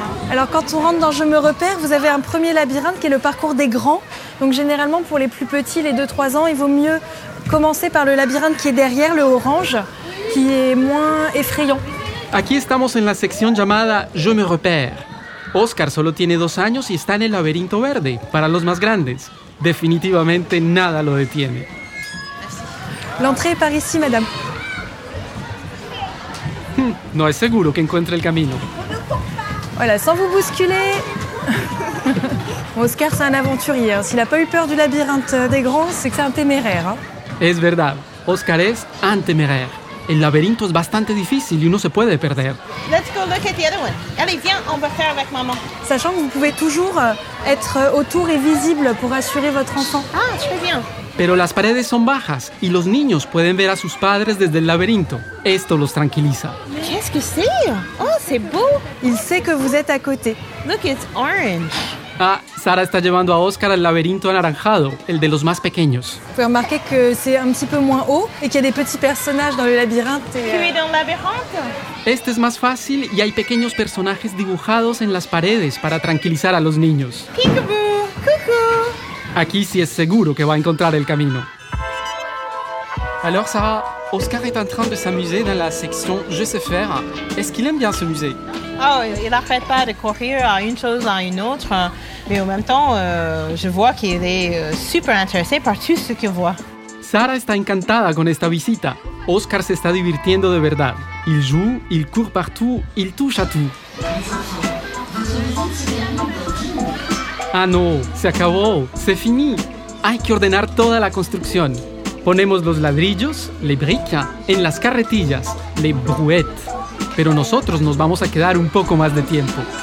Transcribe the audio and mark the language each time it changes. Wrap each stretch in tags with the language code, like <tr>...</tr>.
<fr>Alors quand on rentre dans Je me repère, vous avez un premier labyrinthe qui est le parcours des grands. Donc généralement pour les plus petits, les 2-3 ans, il vaut mieux commencer par le labyrinthe qui est derrière, le orange, qui est moins effrayant.</fr> <es>Aquí estamos en la sección llamada Je me repère. Oscar solo tiene 2 años y está en el laberinto verde, para los más grandes. Definitivamente nada lo detiene.</es> <fr>L'entrée est par ici, madame.</fr> <es>No es seguro que encuentre el camino.</es> <fr>Voilà, sans vous bousculer. Oscar, c'est un aventurier. S'il n'a pas eu peur du labyrinthe des grands, c'est que c'est un téméraire.</fr> <es>Es verdad, Oscar es un téméraire. El laberinto es bastante difícil y uno se puede perder.</es> <en>Let's go look at the other one.</en> <fr>Allez, viens, on va faire avec maman. Sachant que vous pouvez toujours être autour et visible pour assurer votre enfant. Ah, très bien.</fr> <es>Pero las paredes son bajas y los niños pueden ver a sus padres desde el laberinto. Esto los tranquiliza.</es> <fr>Qu'est-ce que c'est? Oh, c'est beau. Il sait que vous êtes à côté.</fr> <en>Look, it's orange.</en> <es>Ah, Sara está llevando a Oscar al laberinto anaranjado, el de los más pequeños.</es> <fr>Vous pouvez remarquer que c'est un petit peu moins haut et qu'il y a des petits personnages dans le labyrinthe. Tu es dans le labyrinthe?</fr> <es>Este es más fácil y hay pequeños personajes dibujados en las paredes para tranquilizar a los niños.</es> <en>Peek-a-boo, coucou.</en> <es>Aquí sí es seguro que va a encontrar el camino.</es> <fr>Alors, Sarah, Oscar est en train de s'amuser dans la section « Je sais faire ». Est-ce qu'il aime bien ce musée? Oh, il n'arrête pas de courir à une chose à une autre. Mais en même temps, je vois qu'il est super intéressé par tout ce qu'il voit.</fr> <es>Sara está encantada con esta visita. Oscar se está divirtiendo de verdad.</es> <fr>Il joue, il court partout, il touche à tout.</fr> <es>Ah no, se acabó,</es> <fr>c'est fini.</fr> <es>Hay que ordenar toda la construcción. Ponemos los ladrillos, les briques, en las carretillas, les brouettes. Pero nosotros nos vamos a quedar un poco más de tiempo.</es>